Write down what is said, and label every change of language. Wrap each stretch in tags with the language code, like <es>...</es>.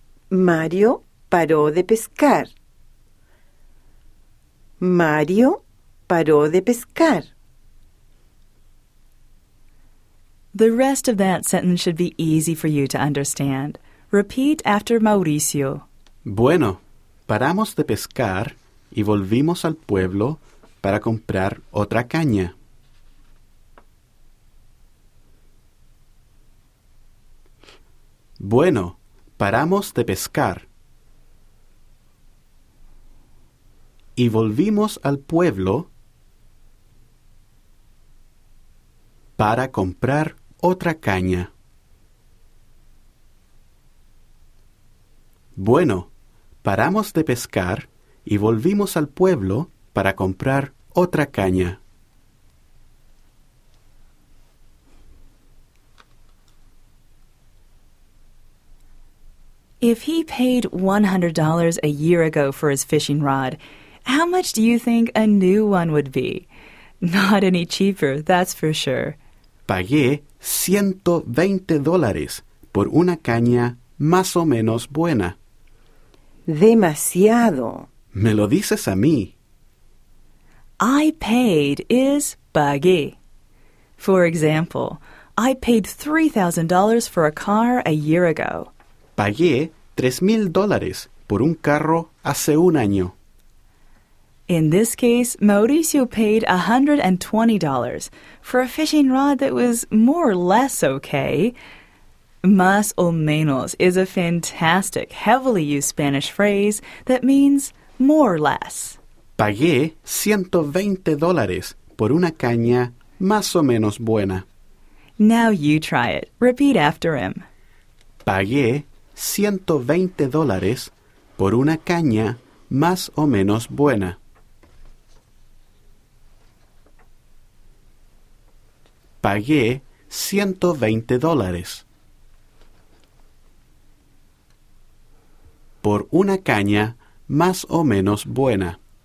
<es>Mario paró de pescar. Mario paró de pescar.</es> <en>The rest of that sentence should be easy for you to understand. Repeat after Mauricio.</en> <es>Bueno, paramos de pescar y volvimos al pueblo para comprar otra caña. Bueno, paramos de pescar y volvimos al pueblo para comprar otra caña. Bueno, paramos de pescar y volvimos al pueblo para comprar otra caña.</es> <en>If he paid $100 a year ago for his fishing rod, how much do you think a new one would be? Not any cheaper, that's for sure.</en> <es>Pagué $120 por una caña más o menos buena. Demasiado. Me lo dices a mí.</es> <en>I paid is pagué. For example, I paid $3,000 for a car a year ago.</en> <es>Pagué $3,000 por un carro hace un año.</es> <en>In this case, Mauricio paid $120 for a fishing rod that was more or less okay. Más o menos is a fantastic, heavily used Spanish phrase that means more or less.</en> <es>Pagué $120 por una caña más o menos buena.</es> <en>Now you try it. Repeat after him.</en> <es>Pagué $120 por una caña más o menos buena. Pagué $120 por una caña más o menos buena.</es>